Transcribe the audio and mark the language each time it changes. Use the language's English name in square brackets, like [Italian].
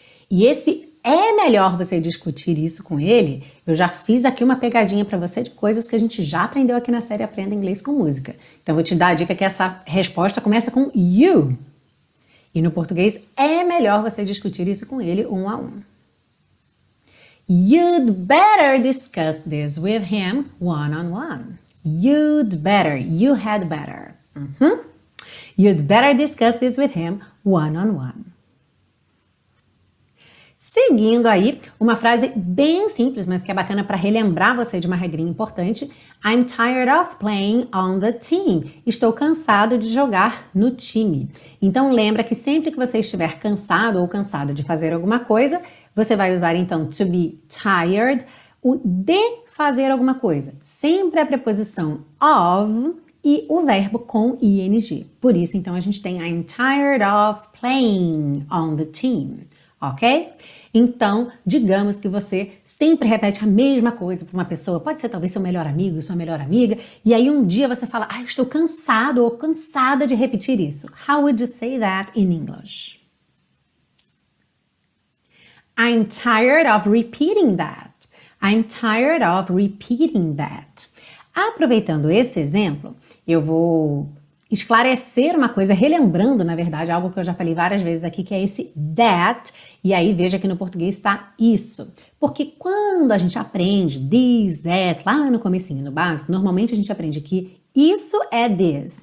[Portuguese] E esse é melhor você discutir isso com ele? Eu já fiz aqui uma pegadinha para você de coisas que a gente já aprendeu aqui na série Aprenda Inglês com Música. Então vou te dar a dica que essa resposta começa com you. E no português, é melhor você discutir isso com ele um a um. [English] You'd better discuss this with him one on one. You'd better, you had better. You'd better discuss this with him one-on-one. [Portuguese] Seguindo aí, uma frase bem simples, mas que é bacana para relembrar você de uma regrinha importante. [English] I'm tired of playing on the team. [Portuguese] Estou cansado de jogar no time. Então, lembra que sempre que você estiver cansado ou cansada de fazer alguma coisa, você vai usar, então, to be tired, o de fazer alguma coisa. Sempre a preposição of e o verbo com ing. Por isso, então, a gente tem [English] I'm tired of playing on the team. Ok? [Portuguese] Então, digamos que você sempre repete a mesma coisa para uma pessoa, pode ser talvez seu melhor amigo, sua melhor amiga, e aí um dia você fala, ah, eu estou cansado ou cansada de repetir isso. [English] How would you say that in English? I'm tired of repeating that. I'm tired of repeating that. [Portuguese] Aproveitando esse exemplo, eu vou esclarecer uma coisa, relembrando, na verdade, algo que eu já falei várias vezes aqui, que é esse that. E aí, veja que no português está isso. Porque quando a gente aprende this, that, lá no comecinho, no básico, normalmente a gente aprende que isso é this.